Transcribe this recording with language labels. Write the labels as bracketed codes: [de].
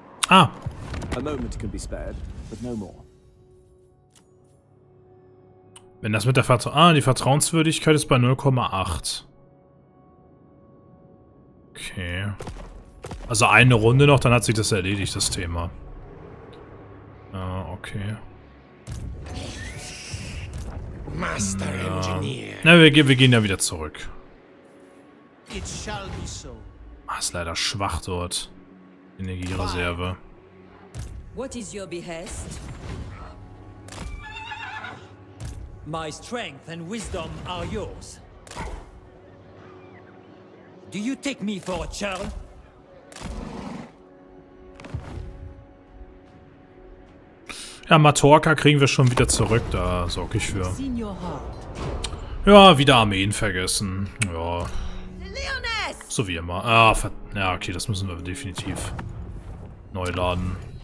[en] A moment can be spared, but no more. [de] Wenn das mit der die Vertrauenswürdigkeit ist bei 0,8. Okay. Also eine Runde noch, dann hat sich das erledigt, das Thema. Okay. [en] Master Engineer. [de] Na, wir gehen ja wieder zurück. [en] It shall be so. [de] Ist leider schwach dort. Energiereserve. [en] What is your behest? My strength and wisdom are yours. Do you take me for a churl? [de] Ja, Matorka kriegen wir schon wieder zurück, da sorge ich für. Ja, wieder Armeen vergessen. Ja. So wie immer. Okay, das müssen wir definitiv neu laden.